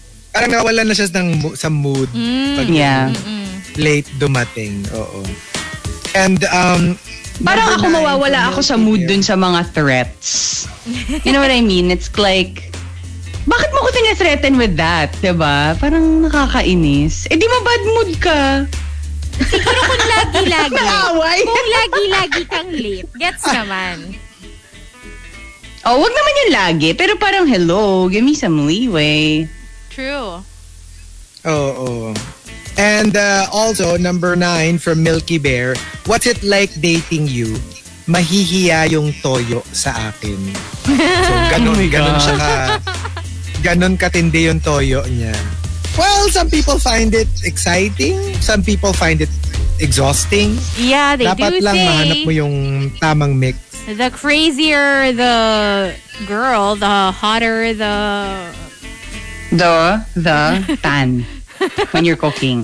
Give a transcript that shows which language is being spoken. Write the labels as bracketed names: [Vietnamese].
[Filipino] Parang nawala na siya ng, sa mood [English] pag yeah. [Filipino] Late dumating. Oo. And parang ako mawawala ako sa mood dun sa mga threats. [English] You know what I mean? It's like, [Filipino] bakit mo ko tina-threaten with that? Diba? Parang nakakainis. Eh di mo bad mood ka. Siguro kung lagi-lagi. Naaway. Kung lagi-lagi kang late. Gets naman. Oh, wag naman yung lagi. Pero parang hello, [English] give me some leeway. True. Oh, oh. And also, number 9 from Milky Bear. What's it like dating you? [Filipino] Mahihiya yung toyo sa akin. So, ganun siya ka. Ganun katindi yung toyo niya. [English] Well, some people find it exciting. Some people find it exhausting. Yeah, they [Filipino] dapat [English] do [Filipino] lang [English] say. [Filipino] Mahanap mo yung tamang mix. [English] The crazier the girl, the hotter the... The tan when you're cooking.